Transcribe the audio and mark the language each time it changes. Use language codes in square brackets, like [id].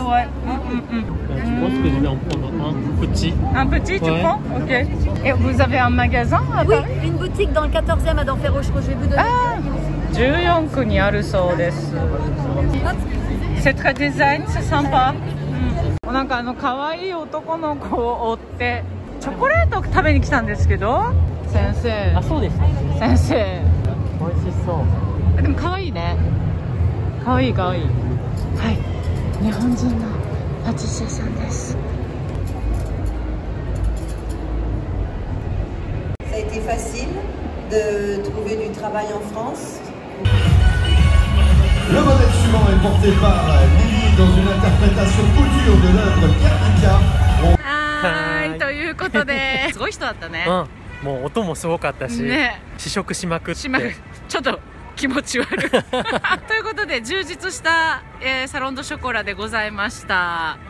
[fr] Floral, ouais. Je pense que je vais en prendre un petit. Un petit, ouais. Tu prends? Ok. Et vous avez un magasin à oui, Paris? Une boutique dans le 14e à Danferroche que je vais vous donner. Ah, 14 Koni Arusodes. C'est très design, c'est sympa. [ja] なんかあの可愛い男の子を追って、チョコレート食べに来たんですけど。先生。あ、そうです。先生。美味しそう。でも可愛いね。可愛い可愛い。はい。日本人のパティシエさんです。 [fr] Ça a été facile de trouver du travail en France. Le modèle suivant est porté par Lily dans une interprétation couture de l'œuvre de Kamika. [en] Hi. [ja] ということで、すごい人だったね。うん。もう音もすごかったし、ね、試食しまくってちょっと気持ち悪いということで充実した、サロンドショコラでございました。